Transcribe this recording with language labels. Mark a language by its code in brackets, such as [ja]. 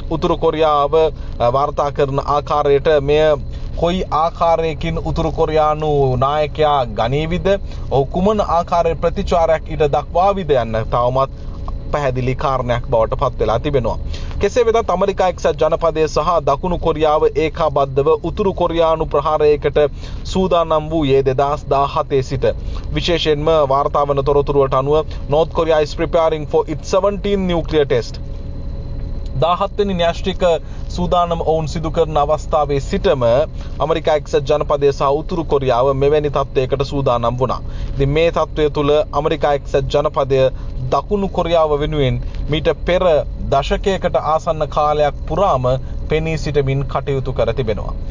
[si] උතුරු කොරියාව වාර්තා කරන ආකාරයට මෙය කොයි ආකාරයකින් උතුරු කොරියානු නායකයා ගනීවිද ඔහු කුමන ආකාරයේ ප්‍රතිචාරයක් ඊට දක්වාවිද යන්න තවමත් පැහැදිලි කාරණයක් බවට පත් වෙලා තිබෙනවා. කෙසේ වෙතත් ඇමරිකා එක්සත් ජනපදය සහ දකුණු කොරියාව ඒකාබද්ධව උතුරු කොරියානු ප්‍රහාරයකට සූදානම් වූයේ 2017 සිට. විශේෂයෙන්ම වාර්තා වන තොරතුරුවට අනුව [en] North Korea is preparing for its 17th nuclear test. [si] 17 න්‍යෂ්ටික සූදානම් ඔවුන් සිදු කරන අවස්ථාවේ සිටම ඇමරිකා එක්සත් ජනපදය සහ උතුරු කොරියාව මෙවැනි තත්ත්වයකට සූදානම් වුණා. ඉතින් මේ තත්ත්වය තුළ ඇමරිකා එක්සත් ජනපදය දකුණු කොරියාව වෙනුවෙන් මීට පෙර දශකයකට ආසන්න කාලයක් පුරාම පෙනී සිටමින් කටයුතු කර තිබෙනවා.